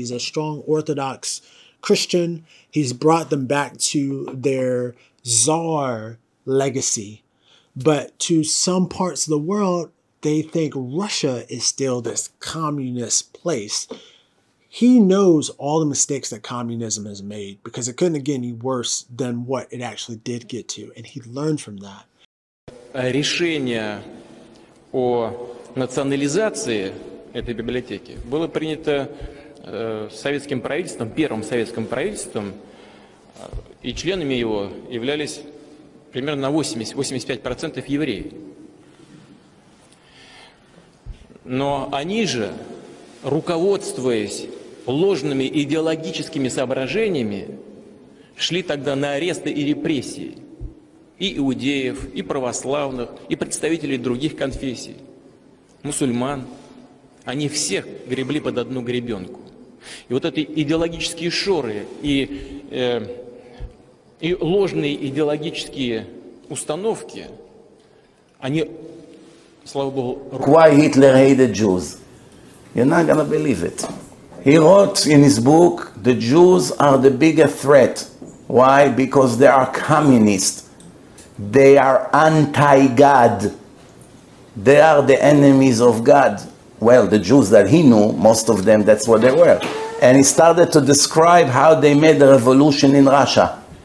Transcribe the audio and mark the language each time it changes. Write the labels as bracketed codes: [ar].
[en] He's a strong Orthodox Christian. He's brought them back to their czar legacy. But to some parts of the world, they think Russia is still this communist place. He knows all the mistakes that communism has made because it couldn't get any worse than what it actually did get to. And he learned from that. [ru] Решение о национализации этой библиотеки было принято советским правительством, первым советским правительством, и членами его являлись примерно на 80-85% евреи. Но они же, руководствуясь ложными идеологическими соображениями, шли тогда на аресты и репрессии и иудеев, и православных, и представителей других конфессий, мусульман. Они всех гребли под одну гребенку. И вот эти идеологические шоры и ложные идеологические установки, они, слава Богу... [en] Why Hitler hated Jews? You're not gonna believe it. He wrote in his book, the Jews are the bigger threat. Why? Because they are communist. They are anti-God. They are the enemies of God. Well, the Jews that he knew, most of them, that's what they were. And he started to describe how they made the revolution in Russia.